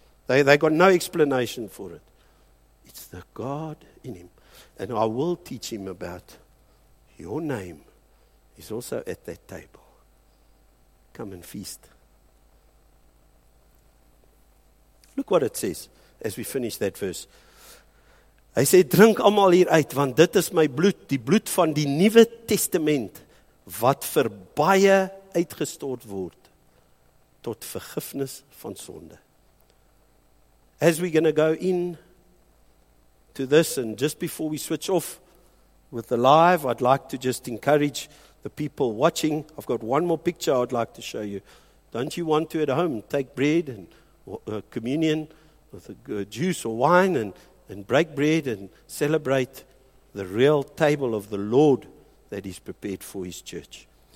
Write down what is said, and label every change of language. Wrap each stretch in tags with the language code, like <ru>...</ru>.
<en>They got no explanation for it. It's the God in him. And I will teach him about your name. He's also at that table. Come and feast. Look what it says as we finish that verse.</en> <af>Hy sê, drink almal hier uit, want dit is my bloed, die bloed van die Nuwe Testament, wat vir baie uitgestort word, tot vergifnis van sonde.</af> <en>As we're going to go in to this, and just before we switch off with the live, I'd like to just encourage the people watching. I've got one more picture I'd like to show you. Don't you want to at home take bread and communion with juice or wine and break bread and celebrate the real table of the Lord that He's prepared for His church.</en>